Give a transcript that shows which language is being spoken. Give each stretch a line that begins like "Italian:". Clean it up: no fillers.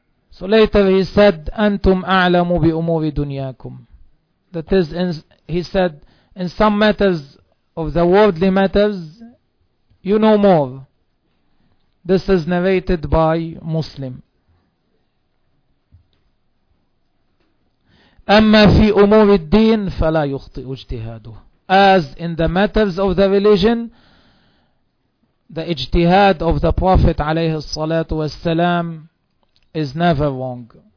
English: So later he said,
Arabic: أنتم أعلموا بأمور دنياكم.
English: That is, he said, in some matters of the worldly matters, you know more. This is narrated by Muslim.
Arabic: أما في أمور الدين فلا يخطئ اجتهاده.
English: As in the matters of the religion, the اجتهاد of the Prophet
Arabic: عليه الصلاة والسلام
English: is never wrong.